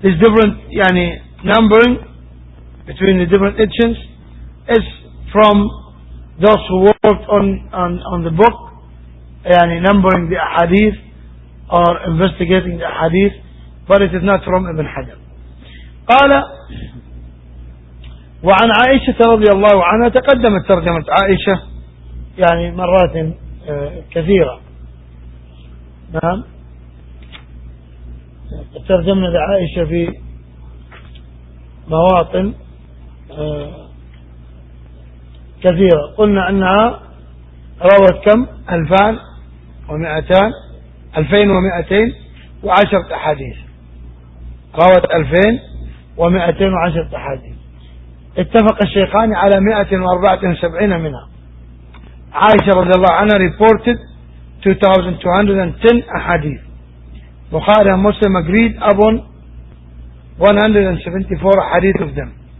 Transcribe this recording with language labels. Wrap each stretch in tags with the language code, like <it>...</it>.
<en>It's different</en> <ar>يعني</ar> <en>numbering between the different editions is from those who worked on the book يعني numbering the hadith or investigating the hadith but it is not from ابن حجر.</en> <ar>قال وعن عائشة رضي الله عنها، تقدمت ترجمة عائشة يعني مرات كثيرة، نعم ترجمنا لعائشة في مواطن كثيرة، قلنا أنها روت كم 2210 أحاديث، روت 2210 أحاديث، اتفق الشيخان على 174 منها. عائشة رضي الله عنها</ar> <en>reported</en> <ar>2210 أحاديث.</ar> <en>بخاري ومسلم agreed upon 174 حديث of them.</en>